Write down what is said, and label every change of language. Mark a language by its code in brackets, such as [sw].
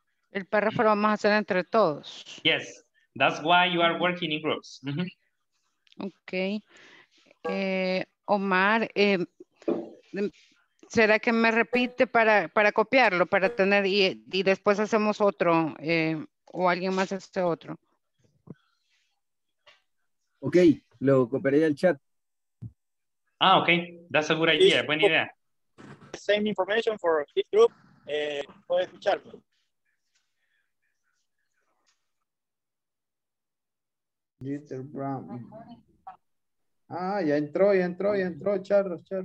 [es] El párrafo lo vamos a hacer entre todos. [en] Yes, that's why you are working in groups. Okay. [es] Omar, ¿será que me repite para copiarlo, para tener y después hacemos otro o alguien más hace otro? Ok, lo copiaría el chat. [en] Ah, ok, that's a good idea, [es] buena idea. [en] Same information for this group, [es] puede escucharlo. Little Brown. Ah, ya entró, Charlos.